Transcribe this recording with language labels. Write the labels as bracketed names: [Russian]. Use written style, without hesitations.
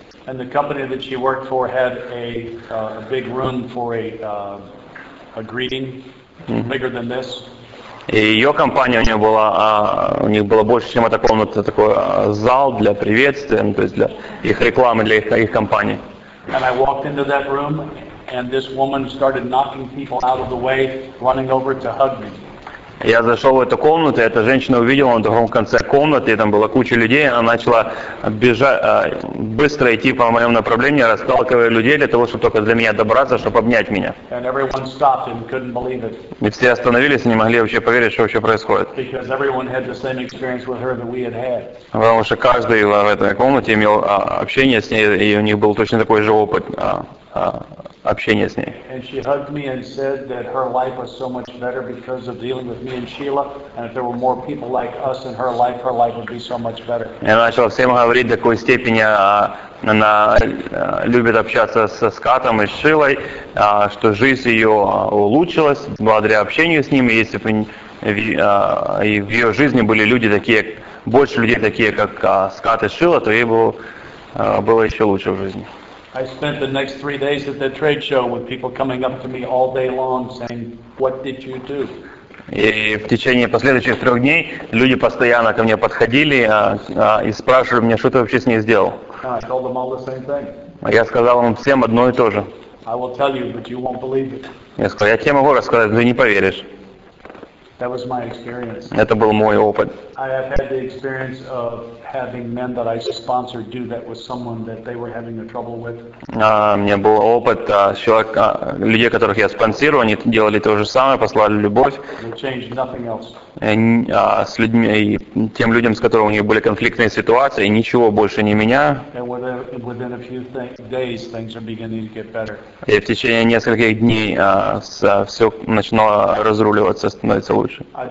[English] And the company that she worked for had a big room for a greeting, bigger than this. [Russian] И ее компания, у них было больше, чем эта комната, такой зал для приветствия, ну, то есть для их рекламы, для их компании. [English] And I walked into that room. And this woman started knocking people out of the way, running over to hug me. [Russian] Я зашел в эту комнату, и эта женщина увидела, на другом конце комнаты, там была куча людей, она начала быстро идти по моему направлению, расталкивая людей для того, чтобы только для меня добраться, чтобы обнять меня. [English] And everyone stopped and couldn't believe it. [Russian] И все остановились и не могли вообще поверить, что вообще происходит. [English] Because everyone had the same experience with her that we had had. [Russian] Потому что каждый в этой комнате имел общение с ней, и у них был точно такой же опыт общения с ней. [English] And she hugged me and said that her life was so much better because of dealing with me and Sheila, and if there were more people like us in her life would be so much better. [Russian] И она начала всем говорить, до какой степени она любит общаться со Скаттом и Шилой, что жизнь ее улучшилась благодаря общению с ними, если бы и в ее жизни были люди такие, больше людей такие, как Скатт и Шила, то ей было еще лучше в жизни. [English] I spent the next 3 days at the trade show with people coming up to me all day long saying, "What did you do?" [Russian] И в течение последующих 3 дней люди постоянно ко мне подходили и спрашивали меня, что ты вообще с ней сделал. [English] I told them all the same thing. [Russian] Я сказал им всем одно и то же. [English] I will tell you, but you won't believe it. [Russian] Я сказал, я тебе могу рассказать, но ты не поверишь. [English] That was my experience. [Russian] Это был мой опыт. [English] I have had the experience of having men that I sponsored do that with someone that they were having a trouble with. [Russian] Мне был опыт людей, которых я спонсировал, они делали то же самое, послали любовь. [English] They changed nothing else. [Russian] С людьми, тем людям, с которыми у них были конфликтные ситуации, ничего больше не меня. И в течение нескольких дней все начинало разруливаться, становится лучше.